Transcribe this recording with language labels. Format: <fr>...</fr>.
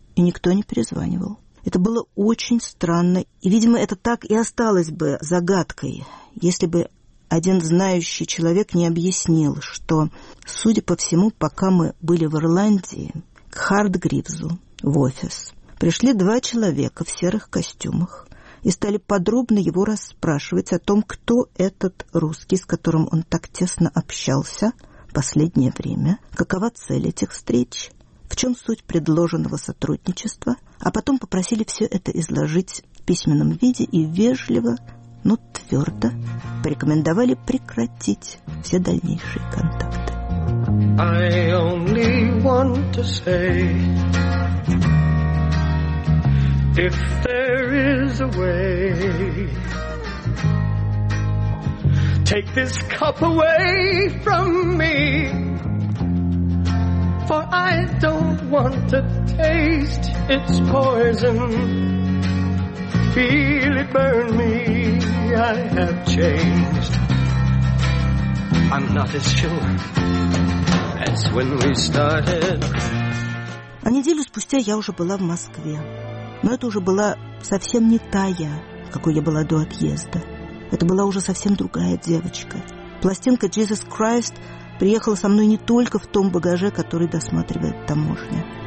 <ru>И никто не перезванивал. Это было очень странно, и, видимо, это так и осталось бы загадкой, если бы один знающий человек не объяснил, что, судя по всему, пока мы были в Ирландии, к Хартгривзу в офис пришли два человека в серых костюмах и стали подробно его расспрашивать о том, кто этот русский, с которым он так тесно общался в последнее время, какова цель этих встреч, в чем суть предложенного сотрудничества, а потом попросили все это изложить в письменном виде и вежливо, но твердо порекомендовали прекратить все дальнейшие контакты.</ru> <en>I only want to say, if there is a way, take this cup away from me. For I don't want to taste its poison, feel it burn me, I have changed. I'm not as sure as when we started.</en> <ru>А неделю спустя я уже была в Москве. Но это уже была совсем не та я, какой я была до отъезда. Это была уже совсем другая девочка. Пластинка «Jesus Christ» приехала со мной не только в том багаже, который досматривает таможня.</ru>